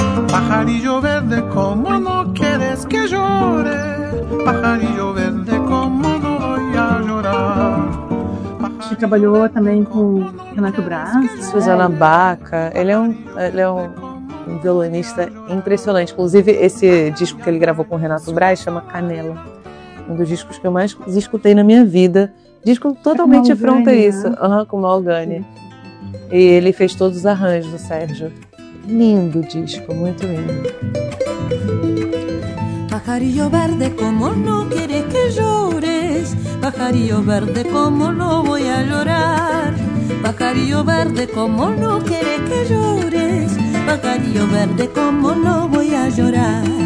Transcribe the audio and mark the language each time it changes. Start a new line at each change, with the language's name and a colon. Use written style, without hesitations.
Spanish: Pajarillo verde, como no quieres que llore. Pajarillo verde, como no voy a llorar.
Portuguese: Você trabalhou também com Renato Brás, Suzana Baca. Ele é um violinista impressionante. Inclusive, esse disco que ele gravou com o Renato Brás chama Canela. Um dos discos que eu mais escutei na minha vida. Disco totalmente afronta a isso. Com o Malgani. E ele fez todos os arranjos do Sérgio. Lindo disco, muito lindo.
Spanish: Pajarillo verde, como no quieres que llores. Pajarillo verde, como no voy a llorar. Pajarillo verde, como no quieres que llores. Pajarillo verde, como no voy a llorar.